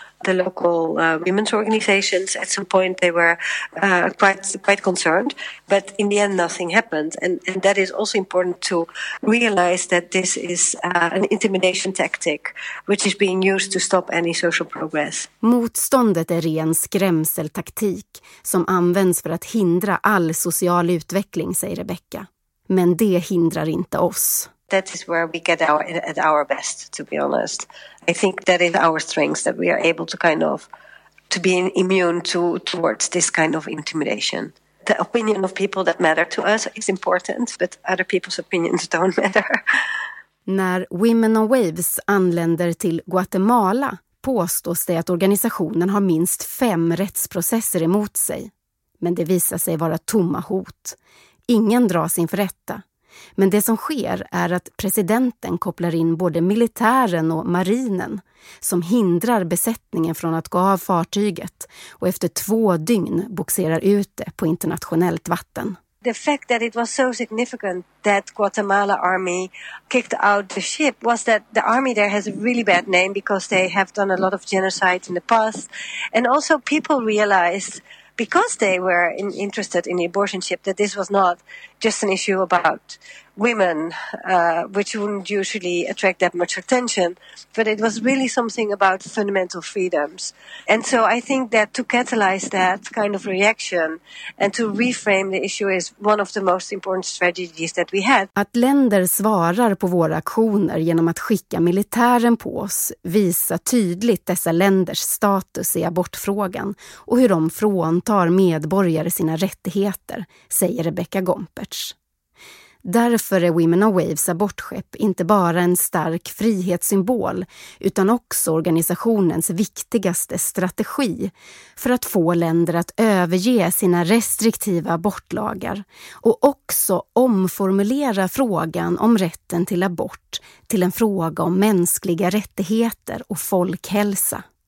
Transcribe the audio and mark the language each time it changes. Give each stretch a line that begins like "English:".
English: the local women's organizations. At some point, they were quite concerned, but in the end, nothing happened. And that is also important to realize that this is an intimidation tactic, which is being used to stop any social progress.
Swedish: Motståndet är ren skrämseltaktik som används för att hindra all social utveckling, säger Rebecca. Men det hindrar inte oss.
English: That is where we get at our best, to be honest. I think that is our strength, that we are able to kind of to be immune to towards this kind of intimidation. The opinion of people that matter to us is important, but other people's opinions don't matter.
Swedish: När Women on Waves anländer till Guatemala påstås det att organisationen har minst 5 rättsprocesser emot sig. Men det visar sig vara tomma hot. Ingen dras inför rätta. Men det som sker är att presidenten kopplar in både militären och marinen som hindrar besättningen från att gå av fartyget och efter 2 dygn boxerar ut det på internationellt vatten.
English: The fact that it was so significant that Guatemala army kicked out the ship was that the army there has a really bad name because they have done a lot of genocide in the past. And also people realized, because they were interested in the abortion ship, that this was not just an issue about women, which wouldn't usually attract that much attention, but it was really something about fundamental freedoms. And so I think that to catalyze that kind of reaction and to reframe the issue is one of the most important strategies that we had.
Swedish: Att länder svarar på våra aktioner genom att skicka militären på oss visar tydligt dessa länders status i abortfrågan och hur de fråntar medborgare sina rättigheter, säger Rebecca Gompertz. Därför är Women on Waves abortskepp inte bara en stark frihetssymbol utan också organisationens viktigaste strategi för att få länder att överge sina restriktiva abortlagar och också omformulera frågan om rätten till abort till en fråga om mänskliga rättigheter och folkhälsa.